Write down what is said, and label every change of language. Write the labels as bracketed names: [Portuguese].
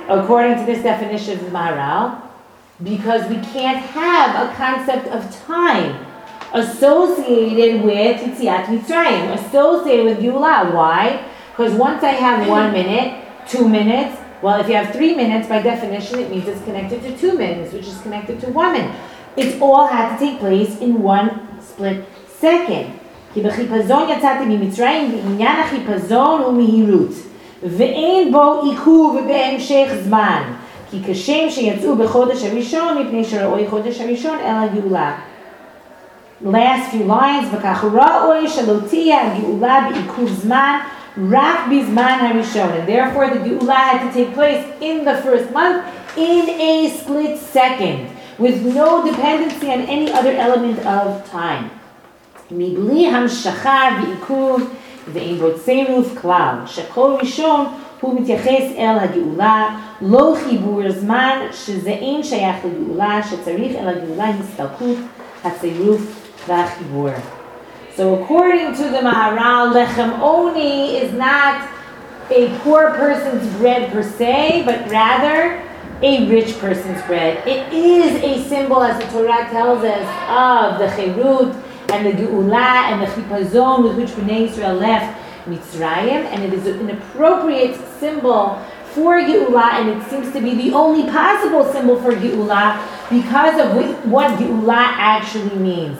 [English] According to this definition of the Maharal. Because we can't have a concept of time associated with Yitziat Mitzrayim, associated with Geulah. Why? Because once I have 1 minute, 2 minutes, well, if you have 3 minutes, by definition, it means it's connected to 2 minutes, which is connected to 1 minute. It all had to take place in one split second. [Hebrew] כי בחיפזון יצאתי ממצרים, ועניין החיפזון הוא מהירות, ואין בו עיכוב בהמשך זמן, כי כשם שיצאו בחודש הראשון, מפני שראו חודש הראשון, אלא גאולה. [English] Last few lines, [Hebrew] וכך ראוי שלא תהיה הגאולה בעיכוב זמן, רק בזמן הראשון. [English] And therefore the גאולה had to take place in the first month, in a split second, with no dependency on any other element of time. [Hebrew] מבלי המשכה ועיכוב, ואין בו צירוף כלל, שכל ראשון הוא מתייחס אל הגאולה, לא חיבור זמן, שזה אין שייך לגאולה, שצריך אל הגאולה הסתלקות, הצירוף והחיבור. [English] So according to the Maharal, lechem oni is not a poor person's bread per se, but rather a rich person's bread. It is a symbol, as the Torah tells us, of the chirut, and the geula and the chipazon with which Bnei Israel left Mitzrayim, and it is an appropriate symbol for geula, and it seems to be the only possible symbol for geula because of what geula actually means.